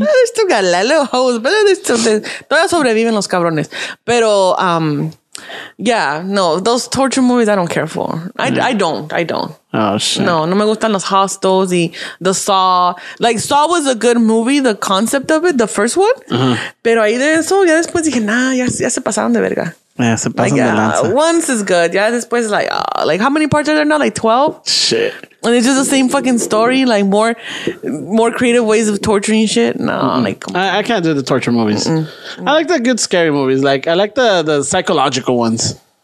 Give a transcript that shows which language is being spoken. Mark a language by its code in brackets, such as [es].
[en] They still got little hoes, but they still... [es] Todavía sobreviven los cabrones. [en] Pero, yeah, no, those torture movies I don't care for. I don't. Oh, shit. [es] No me gustan los hostels y the Saw. [en] Like, Saw was a good movie, the concept of it, the first one. Uh-huh. [es] Pero ahí de eso, ya después dije, nah, ya se pasaron de verga. Yeah, se pasan de lanza. [en] Once is good. Yeah, después is like, how many parts are there now? Like 12? Shit. And it's just the same fucking story, like more creative ways of torturing shit. No, mm-hmm. like, I can't do the torture movies. Mm-mm. I like the good scary movies. Like, I like the psychological ones.